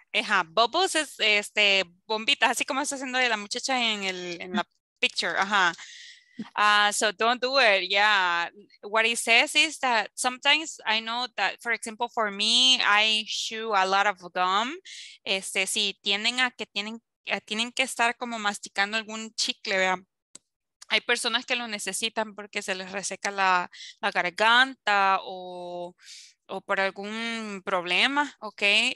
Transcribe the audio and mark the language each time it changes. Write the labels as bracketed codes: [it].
[es] Ajá, bubbles es este, bombitas, así como está haciendo la muchacha en el en la picture. [en] Ajá. So don't do it. Yeah, what it says is that sometimes I know that, for example, for me, I chew a lot of gum. [es] Este, si tienen a que tienen que estar como masticando algún chicle, vean. Hay personas que lo necesitan porque se les reseca la garganta o por algún problema, okay?